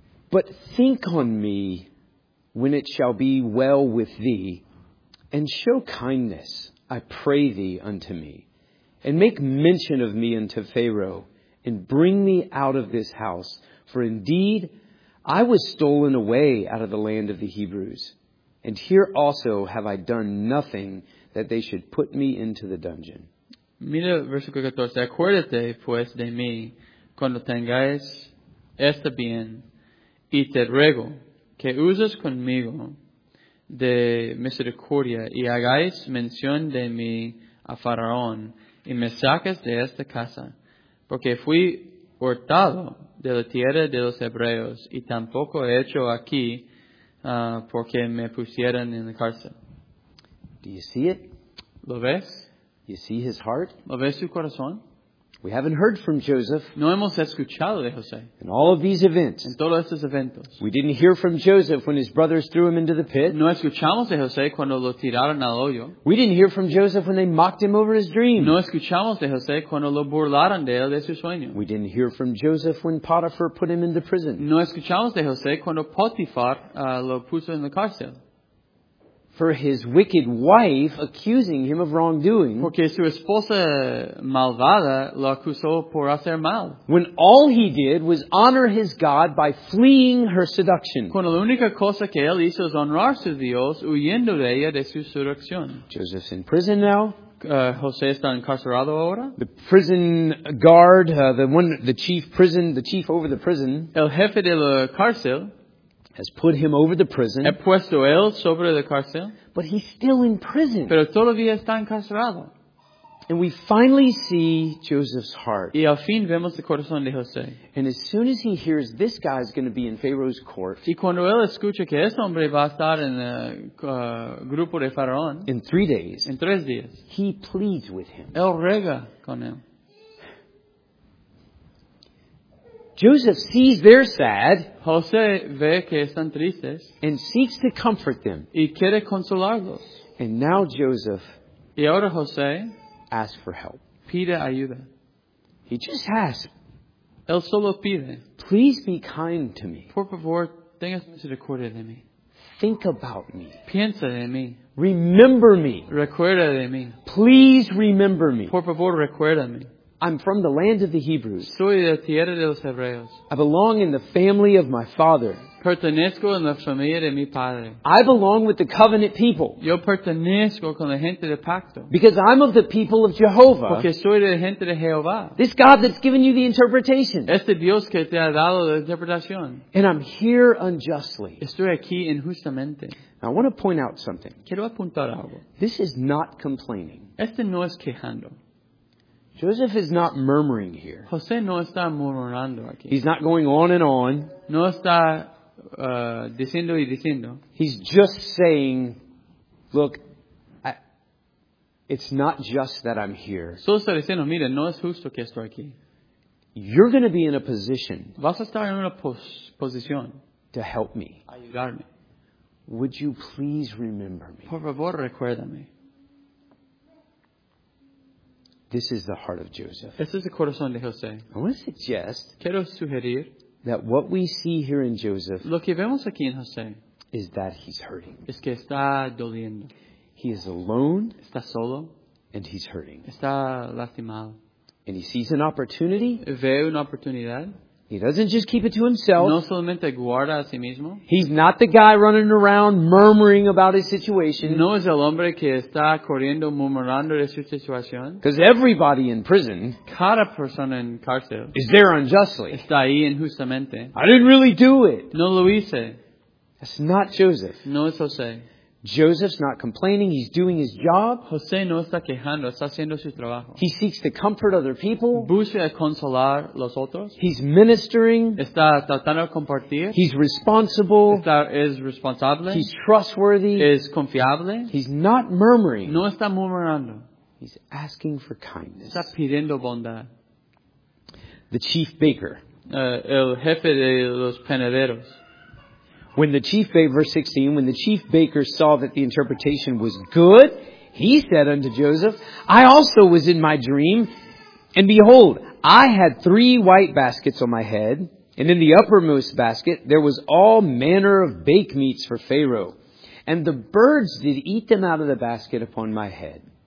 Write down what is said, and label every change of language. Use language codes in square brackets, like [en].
[en] But think on me when it shall be well with thee, and show kindness, I pray thee, unto me, and make mention of me unto Pharaoh, and bring me out of this house. For indeed, I was stolen away out of the land of the Hebrews. And here also have I done nothing that they should put me into the dungeon. [es] Mira versículo 14. Acuérdate, pues, de mí cuando tengáis este bien, y te ruego que uses conmigo de misericordia y hagáis mención de mí a Faraón y me saques de esta casa, porque fui hurtado de la tierra de los hebreos y tampoco he hecho aquí porque me pusieran en la cárcel. [en] Do you see it? [es] ¿Lo ves? [en] You see his heart? [es] ¿Lo ves su corazón? [en] We haven't heard from Joseph. [es] No hemos escuchado de José. [en] In all of these events. [es] En todos estos eventos. [en] We didn't hear from Joseph when his brothers threw him into the pit. [es] No escuchamos de José cuando lo tiraron al hoyo. [en] We didn't hear from Joseph when they mocked him over his dream. [es] No escuchamos de José cuando lo burlaron de él de su sueño. [en] We didn't hear from Joseph when Potiphar put him into prison. [es] No escuchamos de José cuando Potifar lo puso en la cárcel. [en] for his wicked wife accusing him of wrongdoing. [es] Porque su esposa malvada lo acusó por hacer mal. [en] When all he did was honor his God by fleeing her seduction. [es] Cuando la única cosa que él hizo es honrar su Dios huyendo de ella de su seducción. [en] Joseph's in prison now. [es] José está encarcelado ahora. [en] The prison guard, the chief over the prison. [es] El jefe de la cárcel. [en] Has put him over the prison. [es] He puesto él sobre la cárcel. [en] But he's still in prison. [es] Pero todavía está encarcelado. [en] And we finally see Joseph's heart. [es] Y al fin vemos el corazón de José. [en] And as soon as he hears this guy's going to be in Pharaoh's court. [es] Y cuando él escucha que ese hombre va a estar en el grupo de Faraón. [en] In 3 days. [es] En 3 días. [en] He pleads with him. [es] Él ruega con él. [en] Joseph sees they're sad. [es] José ve que están tristes. [en] And seeks to comfort them. [es] Y quiere consolarlos. [en] And now Joseph. [es] Y ahora José. [en] Asks for help. [es] Pide ayuda. [en] He just asks. [es] Él solo pide. [en] Please be kind to me. [es] Por favor, tengas misericordia de mí. [en] Think about me. [es] Piensa de mí. [en] Remember me. [es] Recuerda de mí. [en] Please remember me. [es] Por favor, recuerda me. [en] I'm from the land of the Hebrews. [es] Soy de la tierra de los Hebreos. [en] I belong in the family of my father. [es] Pertenezco en la familia de mi padre. [en] I belong with the covenant people. [es] Yo pertenezco con la gente de pacto. [en] Because I'm of the people of Jehovah. [es] Porque soy de la gente de Jehová. [en] This God that's given you the interpretation. [es] Este Dios que te ha dado la interpretación. [en] And I'm here unjustly. [es] Estoy aquí injustamente. [en] Now, I want to point out something. [es] Quiero apuntar algo. [en] This is not complaining. [es] Este no es quejando. [en] Joseph is not murmuring here. [es] José no está murmurando aquí. [en] He's not going on and on. [es] No está diciendo y diciendo. [en] He's just saying, look, it's not just that I'm here. [es] Solo está diciendo, mira, no es justo que estoy aquí. [en] You're going to be in a position. [es] Vas a estar en una posición. [en] To help me. [es] Ayudarme. [en] Would you please remember me? [es] Por favor, recuérdame. [en] This is the heart of Joseph. [es] Este es el corazón de José. [en] I want to suggest. [es] Quiero sugerir. [en] That what we see here in Joseph. [es] Lo que vemos aquí en José. [en] Is that he's hurting. [es] Es que está doliendo. [en] He is alone. [es] Está solo. [en] And he's hurting. [es] Está lastimado. [en] And he sees an opportunity. [es] Ve una oportunidad. [en] He doesn't just keep it to himself. [es] No solamente guarda a sí mismo. [en] He's not the guy running around murmuring about his situation. [es] No es el hombre que está corriendo murmurando de su situación. [en] Because everybody in prison. [es] Cada persona en cárcel. [en] Is there unjustly. [es] Está ahí injustamente. [en] I didn't really do it. [es] No lo hice. [en] That's not Joseph. [es] No es José. [en] Joseph's not complaining. He's doing his job. [es] José no está quejando. Está haciendo su trabajo. [en] He seeks to comfort other people. [es] Busca a consolar los otros. [en] He's ministering. [es] Está tratando de compartir. [en] He's responsible. [es] Es responsable. [en] He's trustworthy. [es] Es confiable. [en] He's not murmuring. [es] No está murmurando. [en] He's asking for kindness. [es] Está pidiendo bondad. [en] The chief baker. [es] El jefe de los panaderos. [en] When the chief baker, verse 16, when the chief baker saw that the interpretation was good, he said unto Joseph, I also was in my dream, and behold, I had 3 white baskets on my head, and in the uppermost basket there was all manner of baked meats for Pharaoh, and the birds did eat them out of the basket upon my head.